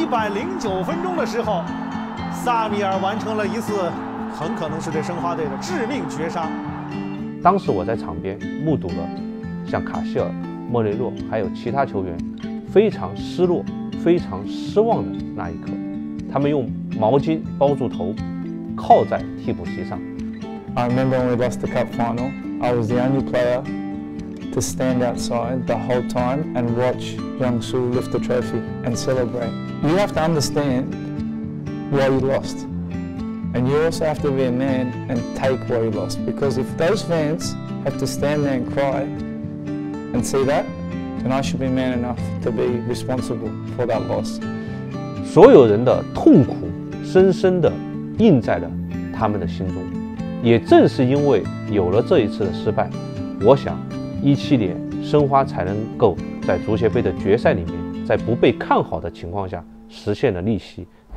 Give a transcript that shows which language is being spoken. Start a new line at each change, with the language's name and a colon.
Chinese: 109分钟的时候，萨米尔完成了一次很可能是对申花队的致命绝杀。当时我在场边目睹了像卡希尔、莫雷诺还有其他球员非常失落、非常失望的那一刻。他们用毛巾包住头，靠在替补席上。
English: I remember when we lost the cup final. I was the only player to stand outside the whole time and watch Yang Su lift the trophy and celebrate. You have to understand why you lost. And you also have to be a man and take why you lost. Because if those fans have to stand there and cry and see that, then I should be man enough to be responsible for that loss.
Chinese: 所有人的痛苦深深地印在了他们的心中。也正是因为有了这一次的失败，我想2017年申花才能够在足协杯的决赛里面，在不被看好的情况下实现了逆袭。